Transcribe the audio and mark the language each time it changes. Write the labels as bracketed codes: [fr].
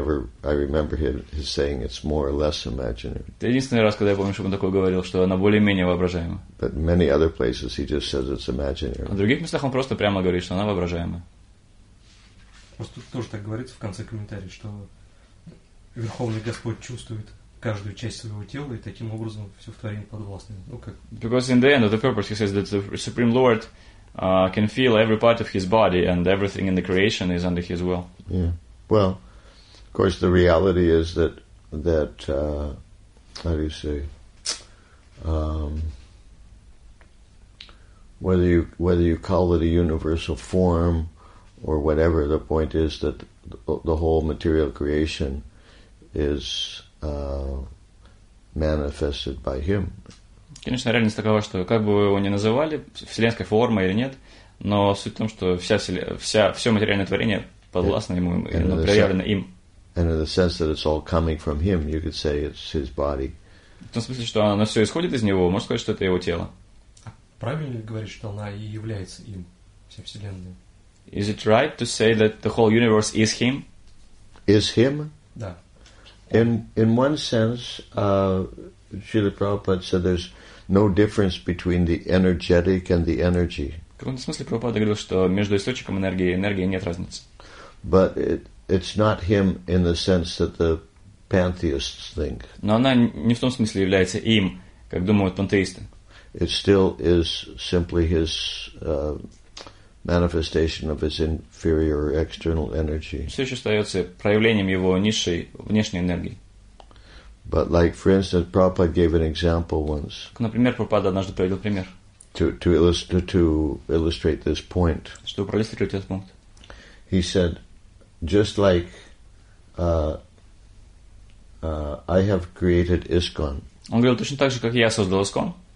[en] That's the only time I remember him saying it's more or less imaginary. [ru] Это единственный раз, когда я помню, чтобы он такое говорил, что она более-менее воображаема. [en] But many other places he just says it's imaginary. [ru] В других местах он просто прямо говорит, что она воображаема. Просто тоже так говорится в конце комментария, что Верховный Господь чувствует каждую часть своего тела, и таким образом все в творении подвластно. Ну, как... [en] Because in the end of the purpose he says that the Supreme Lord can feel every part of his body and everything in the creation is under his will. Yeah. Well, of course, the reality is that how do you say, whether you call it a universal form or whatever, the point is that the whole material creation is manifested by him. [ru] Конечно, реальность такова, что как бы вы его ни называли, вселенской формой или нет, но суть в том, что все материальное творение подвластно ему, и оно проявлено им. [en] And in the sense that it's all coming from him, you could say it's his body. [ru] В том смысле, что она все исходит из него, можно сказать, что это его тело. Правильно ли говорить, что она и является им, вся вселенная? [en] Is it right to say that the whole universe is him? Is him? [ru] Да. [en] In one sense, Srila Prabhupada said there's no difference between the energetic and the energy. [ru] В каком-то смысле Прабхупада говорил, что между источником энергии и энергией нет разницы. [en] But it's not him in the sense that the pantheists think. [ru] Но она не в том смысле является им, как думают пантеисты. [en] It still is simply his manifestation of his inferior external energy. [ru] Все еще остается проявлением его низшей внешней энергии. [en] But like, for instance, Prabhupada gave an example once. [ru] Например, Прабхупада однажды приводил пример. [en] To illustrate this point. [ru] Чтобы проиллюстрировать этот пункт. [en] He said, just like I have created ISKCON. [ru] Он говорил точно так же, как я создал ISKCON.